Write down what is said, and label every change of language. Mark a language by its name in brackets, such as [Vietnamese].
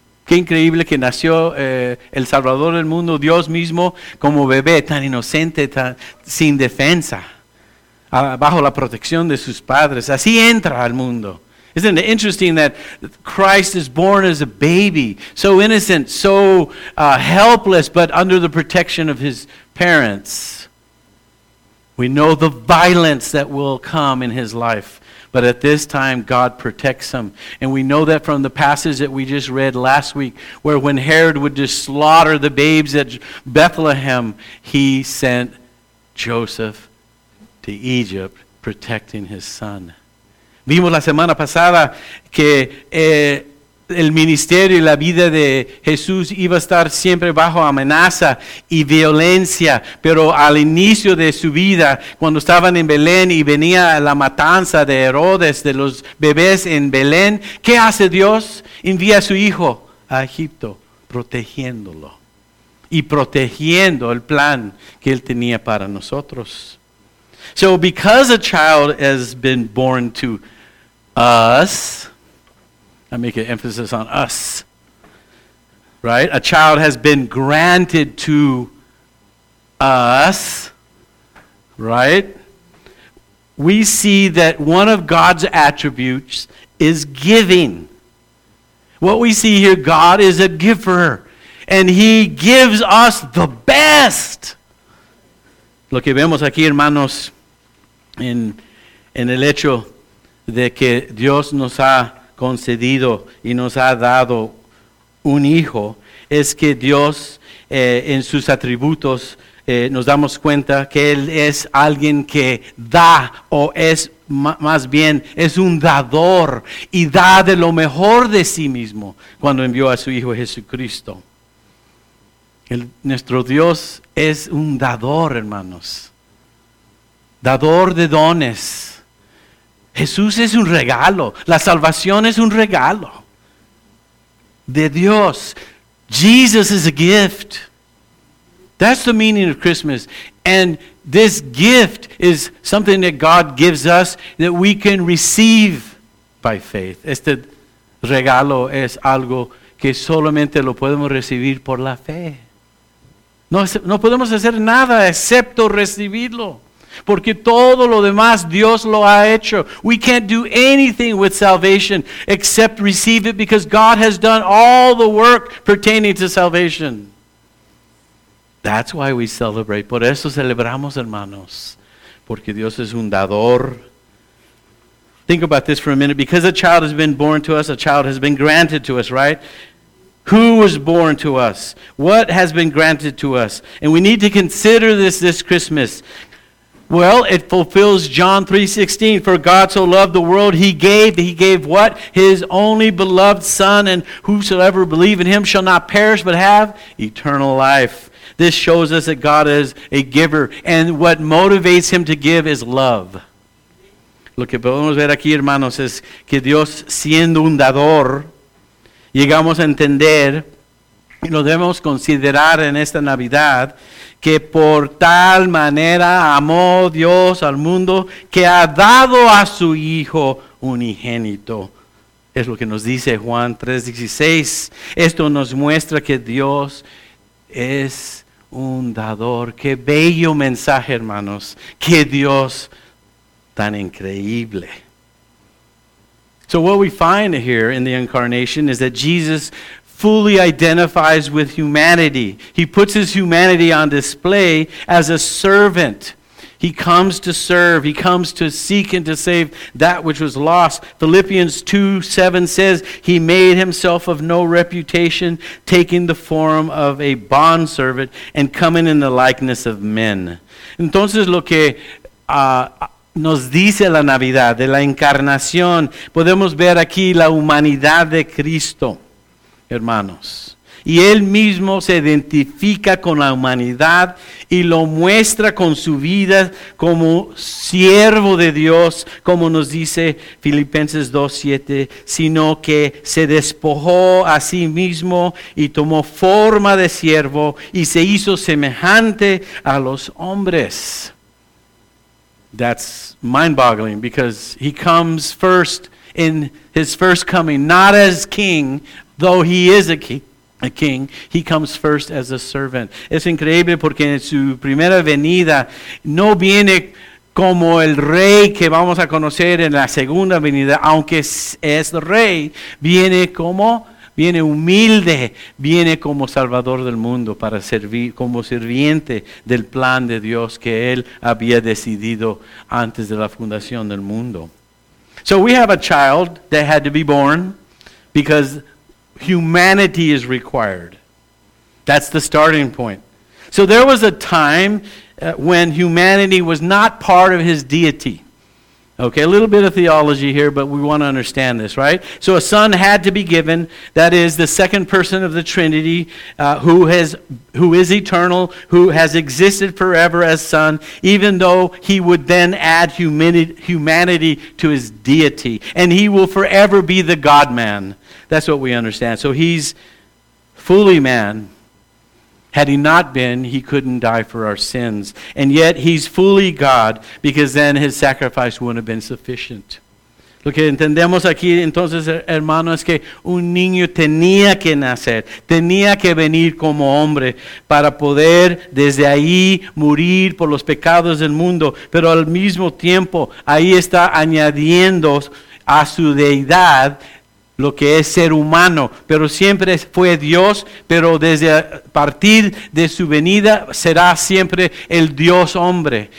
[Spanish] Qué increíble que nació el Salvador del mundo, Dios mismo, como bebé tan inocente, tan sin defensa, bajo la protección de sus padres. Así entra al mundo. [English] Isn't it interesting that Christ is born as a baby, so innocent, so helpless, but under the protection of his parents? We know the violence that will come in his life, but at this time, God protects him. And we know that from the passage that we just read last week, where when Herod would just slaughter the babes at Bethlehem, he sent Joseph to Egypt, protecting his son. [Spanish] Vimos la semana pasada que el ministerio y la vida de Jesús iba a estar siempre bajo amenaza y violencia, pero al inicio de su vida, cuando estaban en Belén y venía la matanza de Herodes, de los bebés en Belén, ¿qué hace Dios? Envía a su hijo a Egipto, protegiéndolo y protegiendo el plan que él tenía para nosotros. [English] So because a child has been born to us, I make an emphasis on us, right? A child has been granted to us, right? We see that one of God's attributes is giving. What we see here, God is a giver, and he gives us the best. [Spanish] Lo que vemos aquí, hermanos, en el hecho de que Dios nos ha concedido y nos ha dado un hijo, es que Dios en sus atributos nos damos cuenta que Él es alguien que da, o es más bien, es un dador y da de lo mejor de sí mismo cuando envió a su Hijo Jesucristo. Nuestro Dios es un dador, hermanos. Dador de dones. Jesús es un regalo. La salvación es un regalo de Dios. [English] Jesus is a gift. That's the meaning of Christmas. And this gift is something that God gives us that we can receive by faith. [Spanish] Este regalo es algo que solamente lo podemos recibir por la fe. No podemos hacer nada excepto recibirlo. Porque todo lo demás Dios lo ha hecho. [English] We can't do anything with salvation except receive it, because God has done all the work pertaining to salvation. That's why we celebrate. [Spanish] Por eso celebramos, hermanos. Porque Dios es un dador. [English] Think about this for a minute. Because a child has been born to us, a child has been granted to us, right? Who was born to us? What has been granted to us? And we need to consider this Christmas. Well, it fulfills John 3:16. For God so loved the world, he gave what? His only beloved Son, and whosoever believe in him shall not perish but have eternal life. This shows us that God is a giver, and what motivates him to give is love. [Spanish] Lo que podemos ver aquí, hermanos, es que Dios, siendo un dador, llegamos a entender, y lo debemos considerar en esta Navidad, que por tal manera amó Dios al mundo, que ha dado a su Hijo unigénito. Es lo que nos dice Juan 3:16. Esto nos muestra que Dios es un dador. Qué bello mensaje, hermanos. Qué Dios tan increíble. [English] So what we find here in the incarnation is that Jesus fully identifies with humanity. He puts his humanity on display as a servant. He comes to serve. He comes to seek and to save that which was lost. Philippians 2:7 says, he made himself of no reputation, taking the form of a bondservant and coming in the likeness of men. [Spanish] Entonces lo que nos dice la Navidad de la Encarnación, podemos ver aquí la humanidad de Cristo, hermanos. Y él mismo se identifica con la humanidad y lo muestra con su vida como siervo de Dios, como nos dice Filipenses 2:7, sino que se despojó a sí mismo y tomó forma de siervo y se hizo semejante a los hombres. [English] That's mind-boggling because he comes first in his first coming, not as king, though he is a king. He comes first as a servant. [Spanish] Es increíble porque en su primera venida no viene como el rey que vamos a conocer en la segunda venida, aunque es rey, viene humilde, viene como salvador del mundo para servir como sirviente del plan de Dios que él había decidido antes de la fundación del mundo. [English] So we have a child that had to be born because humanity is required. That's the starting point. So there was a time when humanity was not part of his deity. Okay, a little bit of theology here, but we want to understand this, right? So a son had to be given, that is the second person of the Trinity, who is eternal, who has existed forever as son, even though he would then add humanity to his deity. And he will forever be the God-man. That's what we understand. So he's fully man. Had he not been, he couldn't die for our sins. And yet, he's fully God, because then his sacrifice wouldn't have been sufficient. [Spanish] Lo que entendemos aquí, entonces, hermano, es que un niño tenía que nacer, tenía que venir como hombre, para poder desde ahí morir por los pecados del mundo. Pero al mismo tiempo, ahí está añadiendo a su deidad lo que es ser humano, pero siempre fue Dios, pero desde a partir de su venida será siempre el Dios hombre.